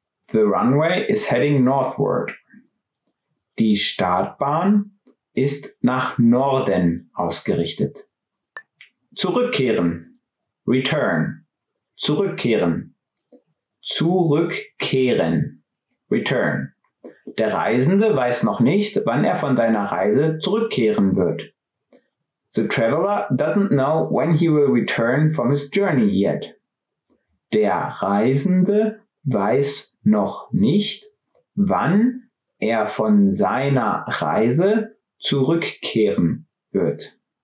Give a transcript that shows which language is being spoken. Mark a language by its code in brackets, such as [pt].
[en] The runway is heading northward. [de] Die Startbahn ist nach Norden ausgerichtet. Zurückkehren. Return. Zurückkehren. Zurückkehren. Return. Der Reisende weiß noch nicht, wann er von seiner Reise zurückkehren wird. [en] The traveler doesn't know when he will return from his journey yet. [de] Der Reisende weiß noch nicht, wann er von seiner Reise zurückkehren wird.